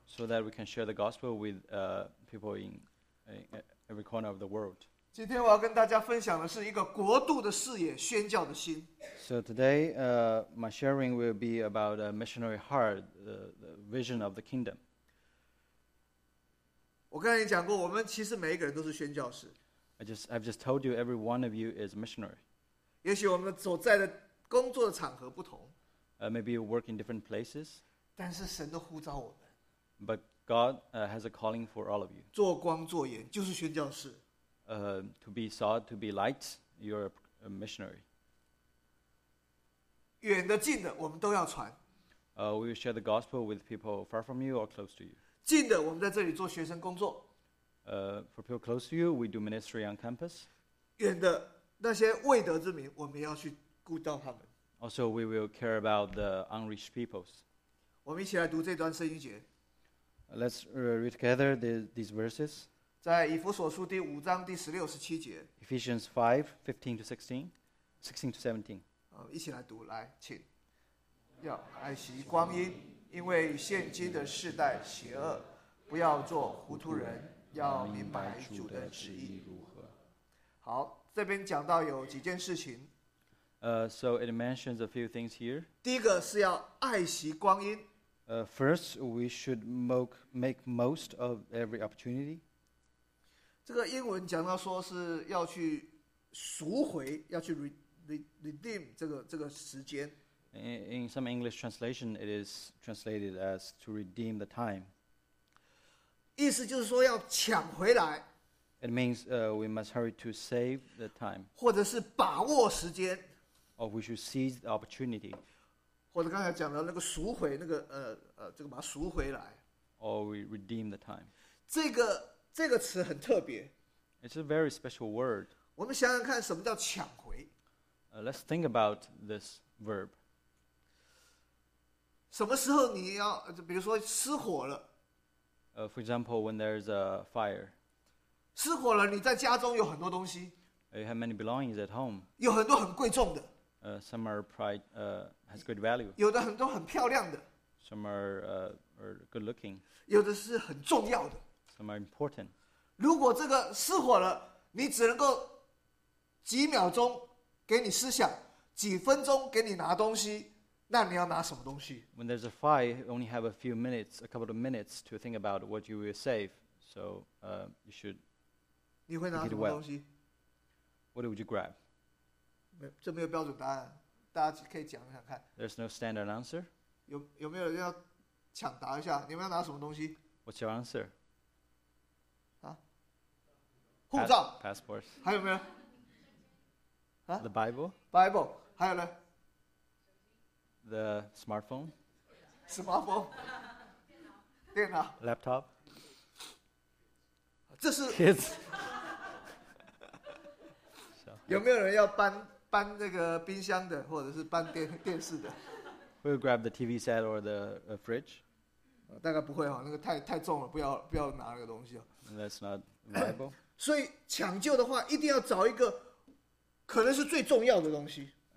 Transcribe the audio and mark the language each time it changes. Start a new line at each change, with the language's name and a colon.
English: So that we can share the gospel with people in every corner of the world.
Chinese: 今天我要跟大家分享的是一个国度的视野、宣教的心。
English: So today, my sharing will be about a missionary heart, the vision of the kingdom.
Chinese: 我刚才讲过，我们其实每一个人都是宣教士。
English: I've just told you every one of you is missionary.
Chinese: 也许我们所在的工作的场合不同。
English: Maybe you work in different places.
Chinese: 但是神都呼召我们。
English: But God has a calling for all of you.
Chinese: 做光做盐就是宣教士。
English: To be salt, to be light, you're a missionary.
Chinese: 远的近的我们都要传。
English: We will share the gospel with people far from you or close to you.
Chinese: 近的我们在这里做学生工作。
English: For people close to you, we do ministry on campus.
Chinese: 远的那些未得之民，我们要去顾到他们。
English: Also, we will care about the unreached peoples.
Chinese: 我们一起来读这段圣经节。
English: Let's read together these verses.
Chinese: 在以弗所书第五章第十六、十七节。
English: Ephesians 5:15-16, 16-17.
Chinese: 一起来读，来，请。要爱惜光阴，因为现今的世代邪恶，不要做糊涂人，要明白主的旨意如何。好，这边讲到有几件事情。
English: So it mentions a few things here.
Chinese: 第一个是要爱惜光阴。
English: First, we should make most of every opportunity.
Chinese: 这个英文讲到说是要去赎回，要去 redeem 这个时间。
English: In some English translation, it is translated as to redeem the time.
Chinese: 意思就是说要抢回来。
English: It means we must hurry to save the time.
Chinese: 或者是把握时间。
English: Or we should seize the opportunity.
Chinese: 或者刚才讲的那个赎回，那个这个把它赎回来。
English: Or we redeem the time.
Chinese: 这个词很特别。
English: It's a very special word.
Chinese: 我们想想看，什么叫抢回？
English: Let's think about this verb.
Chinese: 什么时候你要，比如说失火了？
English: For example, when there's a fire.
Chinese: 失火了，你在家中有很多东西。
English: You have many belongings at home.
Chinese: 有很多很贵重的。
English: Some are pride, has great value.
Chinese: 有的很多很漂亮的。
English: Some are good looking.
Chinese: 有的是很重要的。
English: Some are important.
Chinese: 如果这个失火了，你只能够几秒钟给你思想，几分钟给你拿东西，那你要拿什么东西？
English: When there's a fire, you only have a few minutes, a couple of minutes to think about what you will save. So, you should.
Chinese: 你会拿什么东西？
English: What would you grab?
Chinese: 这没有标准答案，大家可以讲讲看。
English: There's no standard answer.
Chinese: 有没有人要抢答一下？你们要拿什么东西？
English: What's your answer?
Chinese: 啊？护照。
English: Passport.
Chinese: 还有没有？啊
English: ？The Bible.
Chinese: Bible. 还有呢？
English: The smartphone,
Chinese: smartphone, 电脑
English: laptop.
Chinese: 这是
English: kids.
Chinese: 有没有人要搬那个冰箱的，或者是搬电视的
English: ？We'll grab the TV set or the fridge.
Chinese: 大概不会哈，那个太重了，不要拿那个东西哦。
English: That's not viable.
Chinese: 所以抢救的话，一定要找一个可能是最重要的东西。